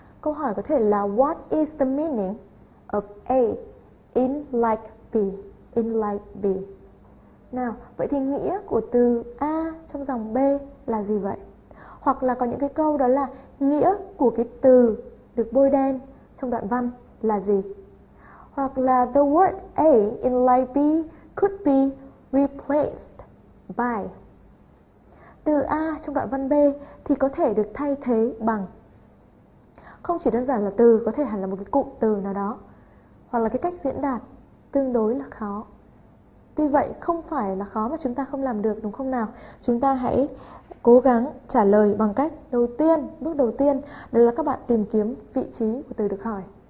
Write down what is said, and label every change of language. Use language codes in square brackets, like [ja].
[vi] Câu hỏi có thể là [en] What is the meaning of A in like B? In like B. [vi] Nào, vậy thì nghĩa của từ A trong dòng B là gì vậy? Hoặc là có những cái câu đó là nghĩa của cái từ được bôi đen trong đoạn văn là gì? Hoặc là [en] the word A in like B could be replaced by. [vi] Từ A trong đoạn văn B thì có thể được thay thế bằng. Không chỉ đơn giản là từ, có thể hẳn là một cái cụm từ nào đó. Hoặc là cái cách diễn đạt tương đối là khó. Tuy vậy không phải là khó mà chúng ta không làm được, đúng không nào? Chúng ta hãy cố gắng trả lời bằng cách đầu tiên, bước đầu tiên đó là các bạn tìm kiếm vị trí của từ được hỏi.